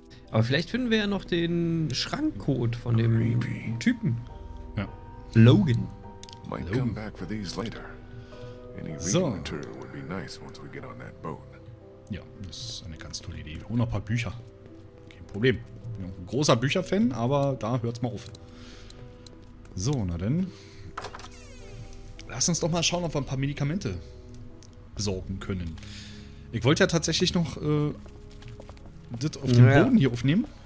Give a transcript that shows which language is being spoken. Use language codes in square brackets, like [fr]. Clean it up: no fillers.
[de] Aber vielleicht finden wir ja noch den Schrankcode von dem Creepy Typen. Ja. [en] Logan. Might Logan come back for these later. Any reading material would be nice once we get on that boat. [de] Ja, das ist eine ganz tolle Idee. Und ein paar Bücher. Kein Problem. Bin ein großer Bücherfan, aber da hört's mal auf. So, na denn. Lass uns doch mal schauen, ob wir ein paar Medikamente besorgen können. Ich wollte ja tatsächlich noch das auf den Boden hier aufnehmen.